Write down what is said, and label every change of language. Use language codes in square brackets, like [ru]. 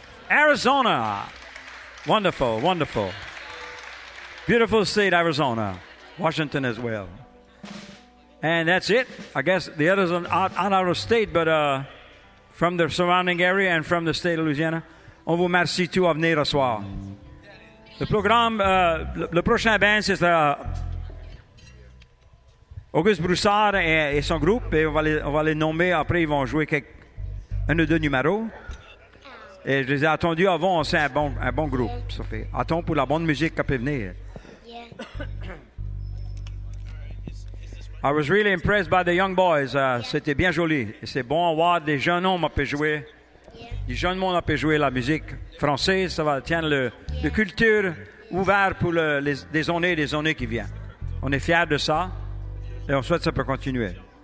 [en] Arizona. Wonderful, wonderful. Beautiful state, Arizona, Washington as well. And that's it. I guess the others are not out of state, but from the surrounding area and from the state of Louisiana. [fr] On vous remercie tout à venir à soir. Le programme, le prochain band, c'est Auguste Broussard et son groupe. Et on va les nommer. Après, ils vont jouer un ou deux numéros. Et je les ai attendus avant. C'est un bon groupe, ça fait. Attends pour la bonne musique qui peut venir. [en] I was really impressed by the young boys. [fr] C'était bien joli. C'est bon à voir des jeunes hommes à peut jouer. Des jeunes hommes à peut jouer la musique française. Ça va tenir le culture ouvert pour les années qui viennent. On est fiers de ça et on souhaite que ça peut continuer.